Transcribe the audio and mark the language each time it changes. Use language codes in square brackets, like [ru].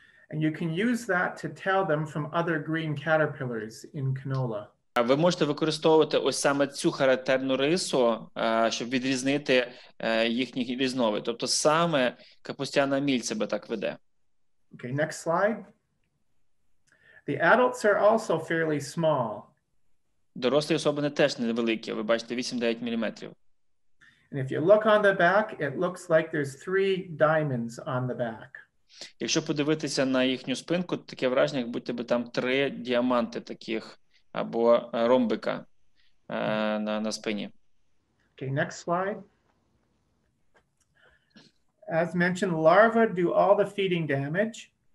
[en] And you can use that to tell them from other green caterpillars in canola. [uk] Ви можете використовувати ось саме цю характерну рису, щоб відрізнити їхній різновид. Тобто саме капустяна міль себе так веде. [en] Okay, next slide. The adults are also fairly small. [uk] Дорослі особини теж невеликі. Ви бачите, 8-9 мм. [en] And if you look on the back, it looks like there's three diamonds on the back. [uk] Якщо подивитися на їхню спинку, таке враження, як будь-то би там три діаманти таких або ромбика на спині. [en] Okay, next slide. As mentioned, larvae do all the feeding damage.